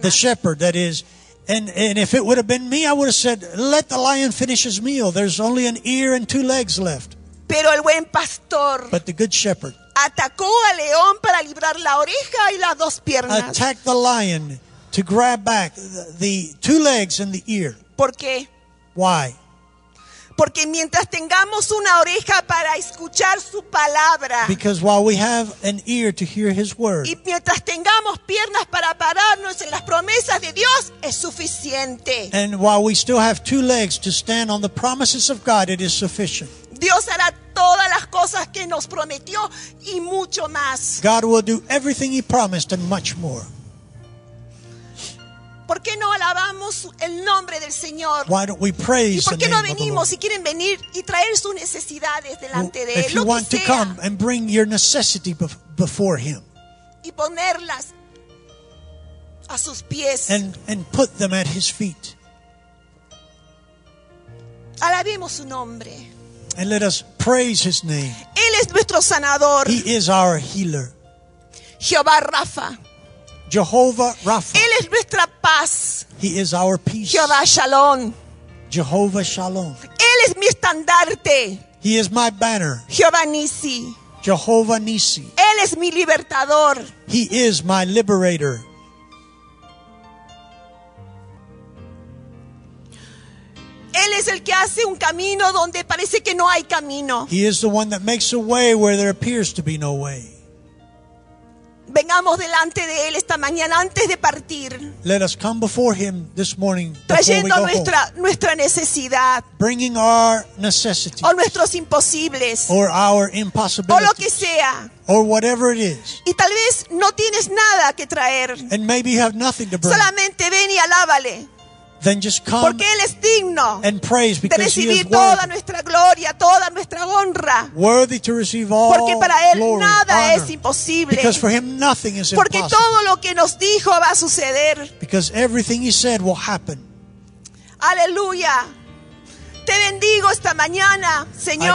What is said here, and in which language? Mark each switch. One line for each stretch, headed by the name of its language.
English: The shepherd, that is. And if it would have been me, I would have said, let the lion finish his meal. There's only an ear and two legs left.
Spanish: Pero el buen pastor,
English: but the good shepherd,
Spanish: Atacó al león para librar la oreja y las dos piernas.
English: Attacked the lion to grab back the two legs and the ear.
Spanish: ¿Por qué?
English: Why?
Spanish: Porque mientras tengamos una oreja para escuchar su palabra.
English: Because while we have an ear to hear his word.
Spanish: Y mientras tengamos piernas para pararnos en las promesas de Dios, es suficiente.
English: And while we still have two legs to stand on the promises of God, it is sufficient.
Spanish: Dios hará todas las cosas que nos prometió y mucho más.
English: God will do everything he promised and much more.
Spanish: ¿Por qué no alabamos el nombre del Señor?
English: Why don't we praise the name of the Lord?
Spanish: ¿Y por qué no venimos si quieren venir y traer sus necesidades delante de él?
English: If you want to come and bring your necessity before him.
Spanish: Y ponerlas a sus pies.
English: And put them at his feet.
Spanish: Alabemos su nombre.
English: And let us praise his name.
Spanish: Él es nuestro sanador.
English: He is our healer.
Spanish: Jehová Rafa.
English: Jehovah Rapha.
Spanish: Él es nuestra paz.
English: He is our peace.
Spanish: Jehová Shalom.
English: Jehovah Shalom.
Spanish: Él es mi estandarte.
English: He is my banner.
Spanish: Jehová Nisi.
English: Jehovah Nisi.
Spanish: Él es mi libertador.
English: He is my liberator.
Spanish: Él es el que hace un camino donde parece que no hay camino.
English: He is the one that makes a way where there appears to be no way.
Spanish: Vengamos delante de él esta mañana antes de partir.
English: Let us come before him this morning.
Spanish: Trayendo nuestra necesidad.
English: Bringing our necessities.
Spanish: O nuestros imposibles.
English: Or our impossibilities.
Spanish: O lo que sea.
English: Or whatever it is.
Spanish: Y tal vez no tienes nada que traer.
English: And maybe you have nothing to bring.
Spanish: Solamente ven y alábale.
English: Then just come.
Spanish: Porque él es digno.
English: And praise because he is worthy.
Spanish: De recibir toda nuestra gloria, toda nuestra honra.
English: Worthy to receive all glory.
Spanish: Porque para él
English: glory,
Spanish: nada
English: honor.
Spanish: Es imposible.
English: Because for him nothing is impossible.
Spanish: Porque todo lo que nos dijo va a suceder.
English: Because everything he said will happen.
Spanish: Aleluya. Te bendigo esta mañana, Señor.